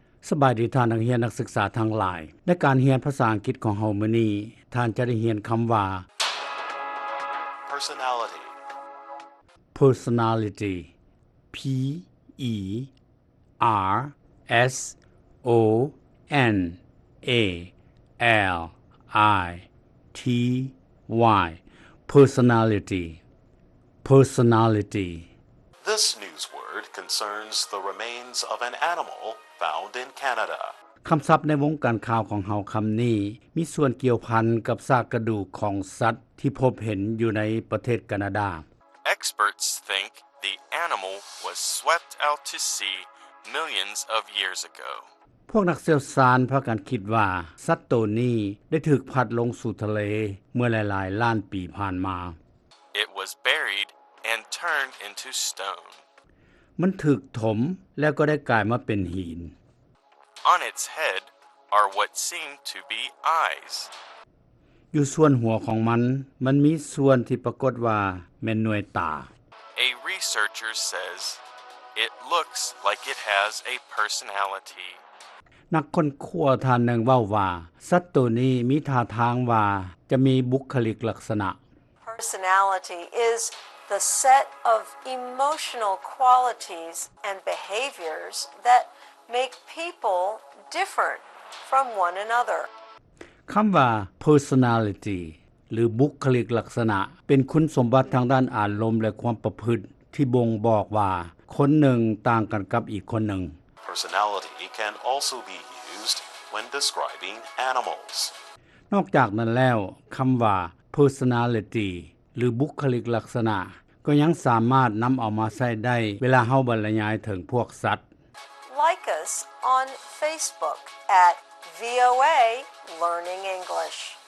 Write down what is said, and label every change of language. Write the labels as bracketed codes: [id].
[th] สบายดีท่านนักเรียนนักศึกษาทั้งหลายในการเรียนภาษาอังกฤษของเฮามื้อนี้ท่านจะได้เรียนคําว่า [en] personality personality P E R S O N A L I T Y personality personality This news word concerns the remains of an animalfound in Canada. [th] คําศัพท์ในวงการข่าวของเฮาคํานี้มีส่วนเกี่ยวพันกับซากกระดูกของสัตว์ที่พบเห็นอยู่ในประเทศแคนาดา [en] Experts think the animal was swept out to sea millions of years ago. [th] พวกนักเชี่ยวชาญพากันคิดว่าสัตว์ตัวนี้ได้ถูกพัดลงสู่ทะเลเมื่อหลายๆล้านปีผ่านมา [en] It was buried and turned into stone. [th] มันถึกถมแล้วก็ได้กลายมาเป็นหิน [en] On its head are what seem to be eyes [th] อยู่ส่วนหัวของมันมันมีส่วนที่ปรากฏว่าแม่นหน่วยตา [en] A researcher says it looks like it has a personalityn [th] กคนขั้วท่านหนึ่งเว้าว่าสัตว์ตัวนี้มีท่าทางว่าจะมีบุคลิกลักษณะ [en] Personality is the set of emotional qualities and behaviors that make people different from one another [th] คําว่า personality หรือบุคลิกลักษณะเป็นคุณสมบัติทางด้านอารมณ์และความประพฤติที่บ่งบอกว่าคนหนึ่งต่างกันกับอีกคนหนึ่ง [en] Personality can also be used when describing animals. [th] นอกจากนั้นแล้วคําว่า personality หรือบุคลิกลักษณะก็ยังสามารถนําเอามาใช้ได้เวลาเฮาบรรยายถึงพวกสัตว์ [en] Like us on Facebook at VOA Learning English.